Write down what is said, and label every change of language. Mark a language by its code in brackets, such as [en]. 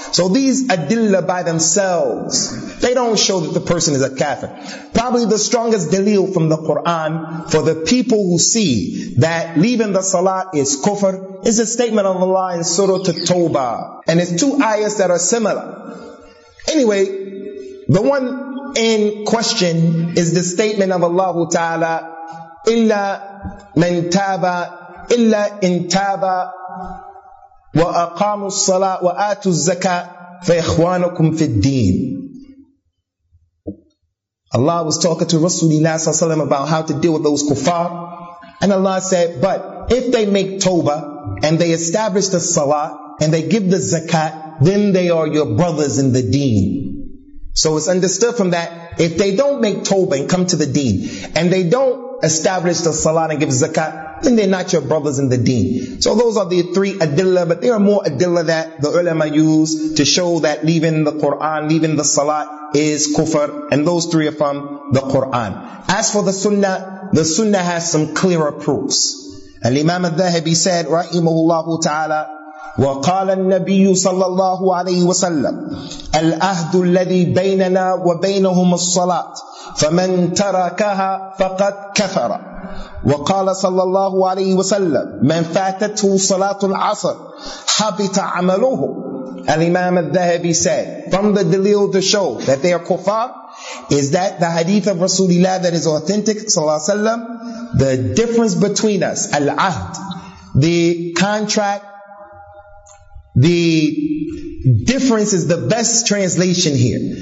[en] So these adilla by themselves, they don't show that the person is a kafir. Probably the strongest dalil from the Quran for the people who see that leaving the salat is kufr is a statement of Allah in Surah At-Tawbah. And it's two ayahs that are similar. Anyway, the one in question is the statement of Allah Ta'ala, [ar] إِلَّا مَنْ تَابَ إِلَّا إِنْ تَابَ وَأَقَامُوا الصَّلَاةَ وَآتُوا الزَّكَاةَ فَإِخْوَانُكُمْ فِي الدِّينِ. [en] Allah was talking to Rasulullah Sallallahu Alaihi Wasallam about how to deal with those kuffar. And Allah said, but if they make tawbah and they establish the salah and they give the zakat, then they are your brothers in the deen. So it's understood from that, if they don't make tawbah and come to the deen, and they don't establish the salat and give zakat, then they're not your brothers in the deen. So those are the three adillah, but there are more adillah that the ulama use to show that leaving the Quran, leaving the salat is kufr, and those three are from the Quran. As for the sunnah has some clearer proofs. Al-Imam al-Dhahabi said, [ar] Rahimahullahu ta'ala, وقال النبي صلى الله عليه وسلم العهد الذي بيننا وبينهم الصلاة فمن تركها فقد كفر وقال صلى الله عليه وسلم من فاتته صلاة العصر حبط عمله. [en] الإمام الذهبي said, from the dalil to show that they are kuffar is that the hadith of Rasulullah that is authentic, [ar] صلى الله عليه وسلم, [en] the difference between us, العهد, the contract, the difference is the best translation here.